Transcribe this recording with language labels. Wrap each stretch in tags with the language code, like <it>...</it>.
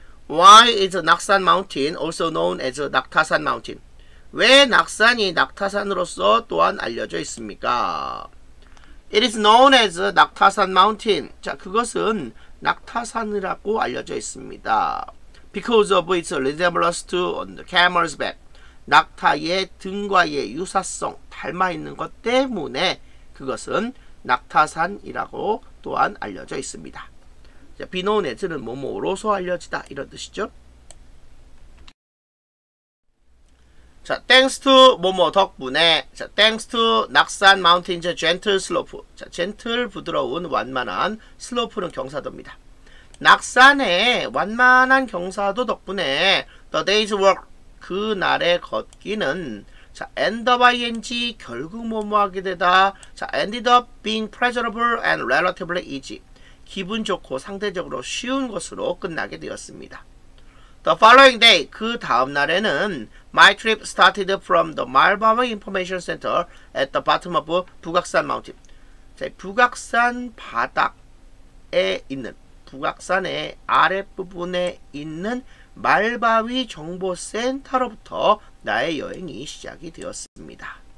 <en>Why is Naksan Mountain also known as 낙타산 Mountain?</en> <ko>왜 낙산이 낙타산으로서 또한 알려져 있습니까?</ko> <en>It is known as 낙타산 Mountain.</en> <ko>자, 그것은 낙타산이라고 알려져 있습니다.</ko> <en>Because of its resemblance to on the camel's back.</en> <ko>낙타의 등과의 유사성, 닮아있는 것 때문에 그것은 낙타산이라고 또한 알려져 있습니다. 자, be known as는 뭐뭐로서 알려지다 이런 뜻이죠.</ko> <en>자, thanks to</en> <ko>뭐뭐 덕분에.</ko> <en>자, thanks to 낙산 mountain's gentle slope.</en> <ko>자, gentle 부드러운 완만한 슬로프는 경사도입니다. 낙산의 완만한 경사도 덕분에</ko> <en>the day's work</en> <ko>그날의 걷기는 자, end of ing, 결국 뭐뭐하게 되다.</ko> <en>자, ended up being pleasurable and relatively easy.</en> <ko>기분 좋고 상대적으로 쉬운 것으로 끝나게 되었습니다.</ko> <en>The following day,</en> <ko>그 다음 날에는</ko> <en>my trip started from the Malbawa Information Center at the bottom of 북악산 Mountain.</en> <ko>자, 북악산 바닥에 있는, 북악산의 아랫부분에 있는 말바위 정보센터로부터 나의 여행이 시작이 되었습니다.</ko>